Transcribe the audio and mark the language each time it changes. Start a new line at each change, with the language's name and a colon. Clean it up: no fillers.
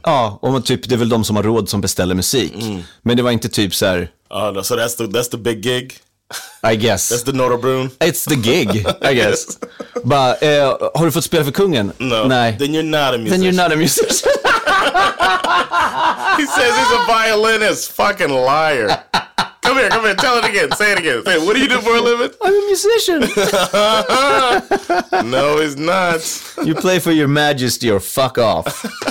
Swedish: Ja, och man, typ, det är väl de som har råd som beställer musik. Mm. Men det var inte typ så här...
English: Oh, no, so that's the big gig? I guess. That's the Norrbrun? It's the gig, I guess. But,
Swedish: har du fått spela för kungen?
English: No.
Swedish: Nej.
English: Then you're not a musician. Then you're not a musician. He says he's a violinist. Fucking liar. Come here, tell it again, say it again. Say, what do you do for a living? I'm a musician. No, he's not. You play for your majesty or fuck off.